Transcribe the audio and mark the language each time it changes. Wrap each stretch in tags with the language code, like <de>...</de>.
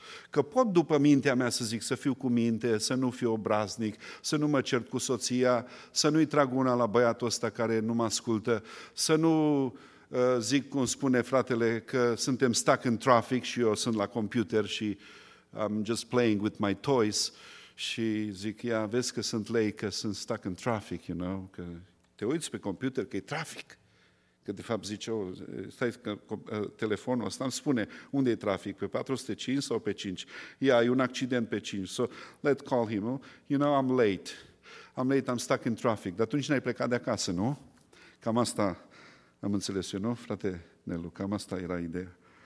<ro>Că pot după mintea mea să zic, să fiu cu minte, să nu fiu obraznic, să nu mă cert cu soția, să nu-i trag una la băiatul ăsta care nu mă ascultă, să nu zic, cum spune fratele, că suntem</ro> <en>stuck in traffic</en> <ro>și eu sunt la computer și</ro> <en>I'm just playing with my toys.</en> <ro>Și zic, ia, vezi că sunt lei, că sunt</ro> <en>stuck in traffic, you know,</en> <ro>că te uiți pe computer că e trafic. Că de fapt zice, stai că telefonul ăsta îmi spune unde e trafic, pe 405 sau pe 5. Ia, e un accident pe 5,</ro> <en>so let's call him, you know, I'm late, I'm stuck in traffic.</en> <ro>Dar atunci n-ai plecat de acasă, nu? Cam asta am înțeles eu, nu, frate Nelu, cam asta era ideea.</ro>